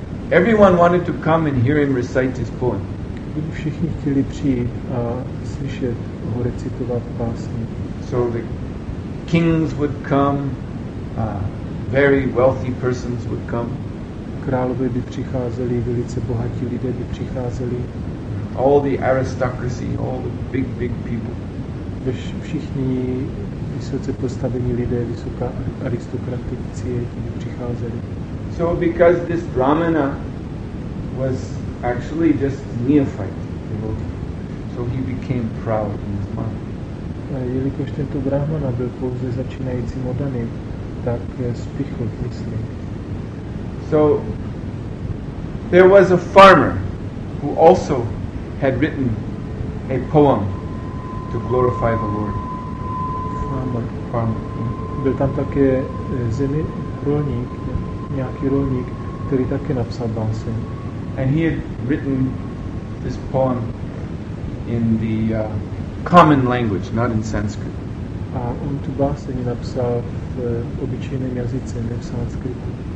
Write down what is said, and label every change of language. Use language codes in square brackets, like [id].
[en] Everyone wanted to come and hear him recite his poem. [cs] Všichni chtěli přijít a slyšet ho recitovat básně. [en] So the kings would come, very wealthy persons would come. [cs] Králové by přicházeli, velice bohatí lidé by přicházeli. [en] All the aristocracy, all the big people. [cs] Všichni vysoce postavení lidé, vysoká aristokratie, by přicházeli. [en] So because this Brahmana was actually just neophyte devotee, so he became proud in his mind. [cs] Jelikož tento Brahmana byl pouze začínajícím oddaným, tak spichl v mysli. [en] So there was a farmer who also had written a poem to glorify the Lord. Farmer. [cs] Byl tam také zemědělník, nějaký rolník, který také napsal básně. [en] And he had written this poem in the common language, not in Sanskrit. [cs] A on tu básně napsal v obyčejném jazyce, ne v sanskritu.